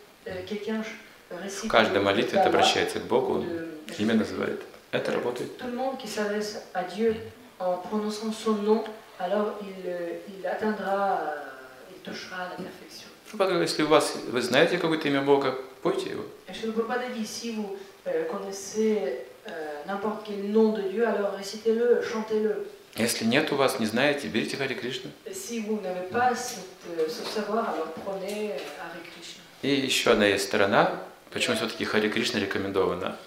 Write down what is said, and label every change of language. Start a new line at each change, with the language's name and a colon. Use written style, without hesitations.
Russian: В каждой молитве ты обращается к Богу, он имя называет. Это работает.
French: Tout le monde qui s'adresse à Dieu en prononçant son nom, alors il atteindra, il touchera la perfection.
Russian: Если у вас, вы знаете какое-то имя Бога, пойте его. Шрила Прабхупада говорит, если вы знаете
French: n'importe quel nom de Dieu, alors récitez-le, chantez-le.
Russian: Если нет у вас, не знаете, берите Харе Кришну. Если вы не знаете этого
French: savoir, alors prenez
Russian: Харе Кришну. И еще одна есть сторона, почему все-таки Харе Кришна рекомендована.